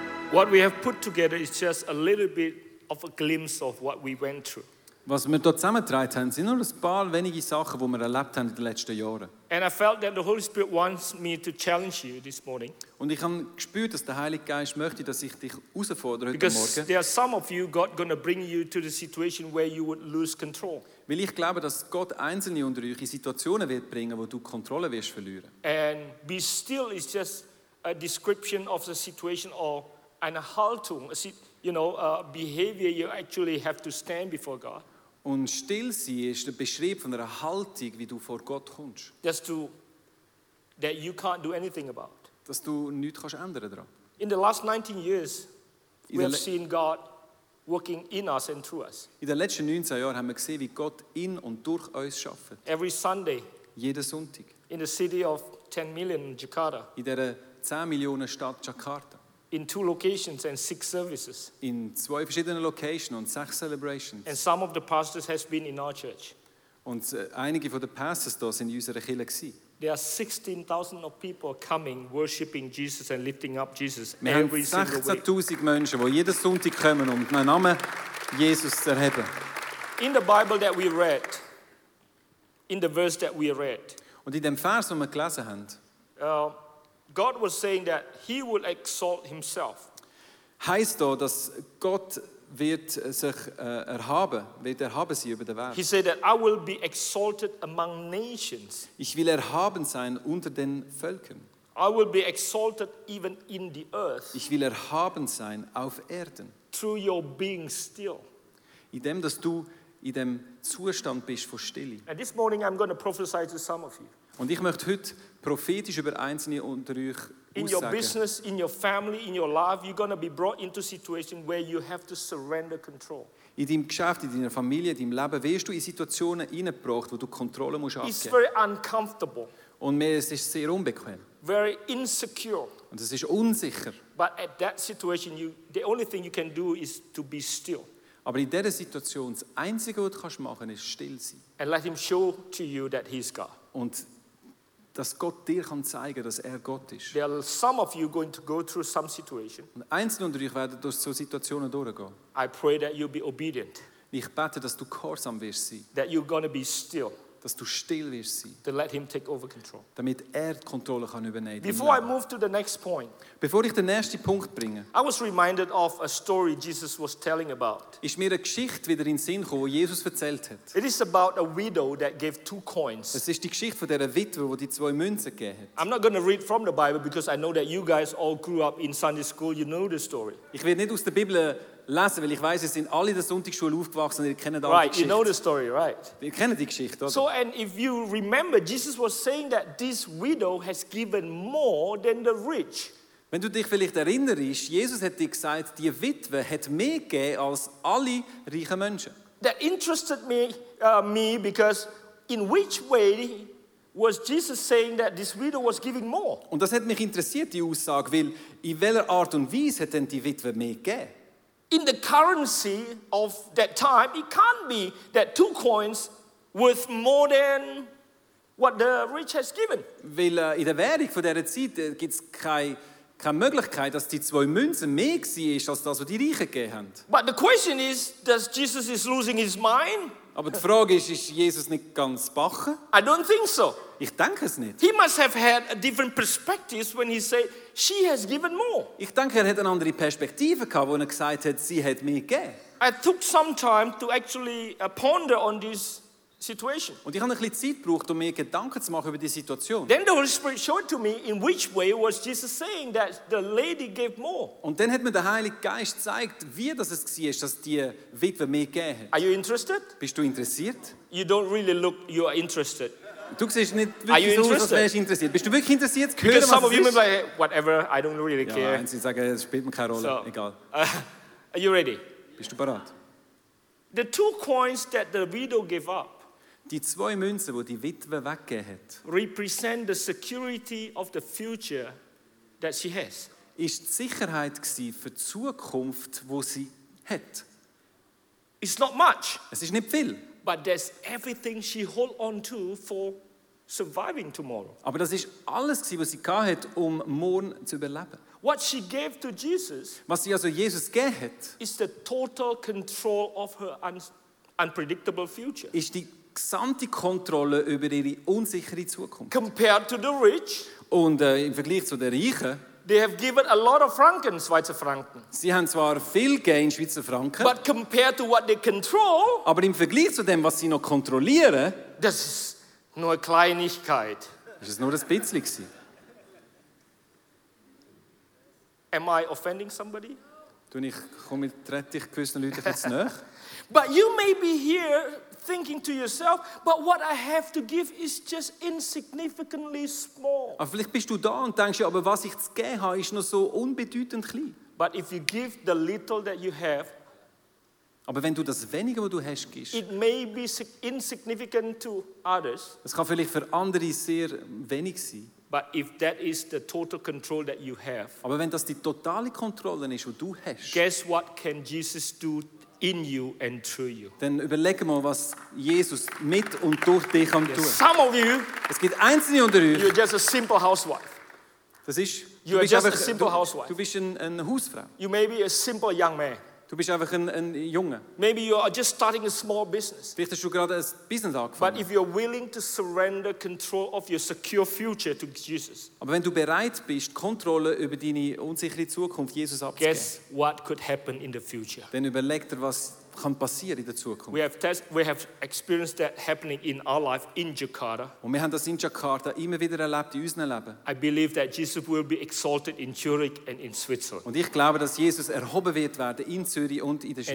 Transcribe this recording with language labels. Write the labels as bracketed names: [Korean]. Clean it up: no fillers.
[English] What we have put together is just a little bit of a glimpse of what we went through. [German] Was wir da zusammengetragen haben, sind nur ein paar wenige Sachen, die wir erlebt haben in den letzten Jahren. [English] And I felt that the Holy Spirit wants me to challenge you this morning. [German] Und ich habe gespürt, dass der Heilige Geist möchte, dass ich dich herausfordere heute [English] Because [German] Morgen. [English] Because there are some of you God going to bring you to the situation where you would lose control. [German] Weil ich glaube, dass Gott einzelne unter euch in Situationen wird bringen, wo du Kontrolle wirst verlieren. [English] And be still is just a description of the situation or [German] eine Haltung, [English] you know, behavior you actually have to stand before God. [German] Und still sein ist der Beschreib von einer Haltung, wie du vor Gott kommst. [English] Just to, that you can't do anything about. [German] Dass du nichts kannst ändern daran. [English] In the last 19 years, we have seen God working in us and through us. [German] In den letzten 19 Jahren haben wir gesehen, wie Gott in und durch uns schafft. [English] Every Sunday. [German] Jeden Sonntag. [English] In the city of 10 million in Jakarta. [German] In der 10 Millionen Stadt Jakarta. [English] In 2 locations and 6 services. [German] In 2 verschiedenen Locations und 6 celebrations. [English] And some of the pastors has been in our church. [German] Und einige von den Pastors da sind in unserer Kirche gsi. [English] There are 16,000 of people coming, worshiping Jesus and lifting up Jesus [German] Wir [English] every single week. [German] 16,000 Menschen, wo jeden Sonntag kommen, um den Namen Jesus zu erheben. [English] In the Bible that we read, in the verse that we read. [German] Und in dem Vers, wo wir gelesen haben. [English] God was saying that he would exalt himself. [German] Heißt da, dass Gott wird sich erhaben, wird erhaben sein über der Welt. [English] He said that I will be exalted among nations. [German] Ich will erhaben sein unter den Völkern. [English] I will be exalted even in the earth. [German] Ich will erhaben sein auf Erden. [English] Through your being still. [German] In dem, dass du in dem Zustand bist von Stille. [English] And this morning I'm going to prophesy to some of you. [German] Und ich möchte heute prophetisch über einzelne unter euch aussagen. [English] In your business, in your family, in your life, you're going to be brought into a situation where you have to surrender control. [German] In deinem Geschäft, in deiner Familie, in deinem Leben, wirst du in Situationen hineingebracht, wo du Kontrolle musst abgeben. [English] It's very uncomfortable. [German] Und mir ist es sehr unbequem. [English] Very insecure. [German] Und es ist unsicher. [English] But at that situation, the only thing you can do is to be still. [German] Aber in dieser Situation, das Einzige, was du machen kannst, ist still sein. [English] And let him show to you that he's God. [German] Und dass Gott dir kann zeigen, dass er Gott ist. [English] There are some of you going to go through some situation. [German] Und einzelne unter euch werden durch so Situationen durchgehen. [English] I pray that you'll be obedient. [German] Ich bete, dass du gehorsam wirst sein. [English] That you're going to be still. [German] Dass du still wirst sein. [English] To let him take over control. [German] Damit er die Kontrolle kann übernehmen. [English] Before I move to the next point. [German] Bevor ich den nächsten Punkt bringe. [English] I was reminded of a story Jesus was telling about. [German] Ist mir eine Geschichte wieder in den Sinn gekommen, die Jesus erzählt hat. [English] It is about a widow that gave two coins. [German] Es ist die Geschichte von dieser Witwe, die die zwei Münzen gegeben hat. [English] I'm not going to read from the Bible because I know that you guys all grew up in Sunday school. You know the story. [German] Ich werde nicht aus der Bibel lesen, weil ich weiß, es sind alle in der Sonntagsschule aufgewachsen und ihr kennt [English] right, [German] die Geschichte. [English] You know the story, right? [German] Ihr kennt die Geschichte, oder? [English] So, and if you remember, Jesus was saying that this widow has given more than the rich. [German] Wenn du dich vielleicht erinnerst, Jesus hat dir gesagt, die Witwe hat mehr gegeben als alle reichen Menschen. [English] That interested me because in which way was Jesus saying that this widow was giving more? [German] Und das hat mich interessiert, die Aussage, weil in welcher Art und Weise hat denn die Witwe mehr gegeben? [English] In the currency of that time, it can't be that two coins worth more than what the rich has given. [German] Weil in der Währung von dieser Zeit gibt es keine Möglichkeit, dass die zwei Münzen mehr gewesen ist als das, was die Reichen gegeben haben. [English] But the question is, does Jesus is losing his mind? [German] Aber die Frage ist Jesus nicht ganz bache? [English] I don't think so. [German] Ich denke es nicht. [English] He must have had a different perspective when he said she has given more. [German] Ich denke, er hat eine andere Perspektive gehabt, als er gesagt hat, sie hat mehr gegeben. [English] I took some time to actually ponder on this situation. [German] Und ich habe ein bisschen Zeit gebraucht, um mir Gedanken zu machen über die Situation. [English] Then the Holy Spirit showed to me in which way was Jesus saying that the lady gave more. [German] Und dann hat mir der Heilige Geist gezeigt, wie das es gsi ist, dass die Witwe mehr gegeben hat. [English] Are you interested? [German] Bist du interessiert? [English] You don't really look, you are interested. [German] Du siehst nicht wirklich so, als wärst du interessiert. Bist du wirklich interessiert, zu hören, [English] because some [German] was [English] of you may whatever, I don't really [German] ja, [English] care. [German] Sie sagen, es spielt mir keine Rolle, so, egal. [English] Are you ready? [German] Bist du bereit? [English] The two coins that the widow gave up. [German] Die zwei Münzen, die Witwe weggegeben hat. [English] Represent the security of the future that she has. [German] Ist die Sicherheit gewesen für die Zukunft, die sie hat. [English] It's not much. [German] Es ist nicht viel. [English] But there's everything she hold on to for surviving tomorrow. [German] Aber das ist alles gewesen, was sie gehabt hat, um morgen zu überleben. [English] What she gave to Jesus, [German] was sie also Jesus gegeben hat, [English] is the total control of her unpredictable future. [German] Ist die gesamte Kontrolle über ihre unsichere Zukunft. [English] Compared to the rich, [German] und im Vergleich zu den Reichen, [English] they have given a lot of Franken, Schweizer Franken. [German] Sie haben zwar viel gegeben in Schweizer Franken. [English] But compared to what they control, [German] aber im Vergleich zu dem, was sie noch kontrollieren, das ist nur eine Kleinigkeit. Das ist nur ein bisschen gewesen. [English] Am I offending somebody? [German] Tun ich komme mit 30 gewissen Leuten jetzt nicht. [English] But you may be here thinking to yourself, but what I have to give is just insignificantly small. [German] Aber vielleicht bist du da und denkst, ja, aber was ich zu geben habe, ist noch so unbedeutend klein. [English] But if you give the little that you have, [German] aber wenn du das Wenige, was du hast, gibst, [English] it may be insignificant to others. [German] Es kann vielleicht für andere sehr wenig sein. [English] But if that is the total control that you have, [German] aber wenn das die totale Kontrolle ist, die du hast, [English] guess what can Jesus do in you and through you. [German] Dann überlege mal, was Jesus mit und durch dich kann tun. [English] Some of you, [German] es gibt einzelne unter euch. [English] You're just a simple housewife. [German] Das ist. [English] You're just a simple housewife. [German] Du bist eine Hausfrau. [English] You may be a simple young man. [German] Du bist einfach ein Junge. [English] Maybe you are just starting a small business. [German] Vielleicht hast du gerade ein Business angefangen. [English] But if you're willing to surrender control of your secure future to Jesus. [German] Aber wenn du bereit bist, Kontrolle über deine unsichere Zukunft Jesus abzugeben. [English] Guess what could happen in the future? [German] Dann überleg dir, was kann passieren in der Zukunft. [English] We have experienced that happening in our life in Jakarta. [German] Und wir haben das in Jakarta immer wieder erlebt in unserem Leben. [English] I believe that Jesus will be exalted in Zurich and in Switzerland. [German] Und ich glaube, dass Jesus erhoben wird werden in Zürich und in der Schweiz.